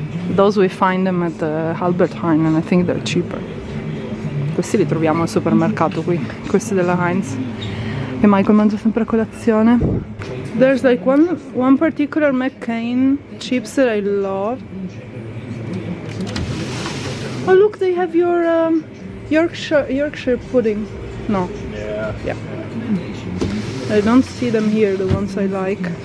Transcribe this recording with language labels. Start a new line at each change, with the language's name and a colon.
English: Those we find them at Albert Heijn, and I think they're cheaper.
Italian: Questi li troviamo al supermercato qui, questi della Heinz. E Michael mangia sempre a colazione.
English: There's like one particular McCain chips that I love. Oh look, they have your Yorkshire pudding. No. Yeah. I don't see them here, the ones I like.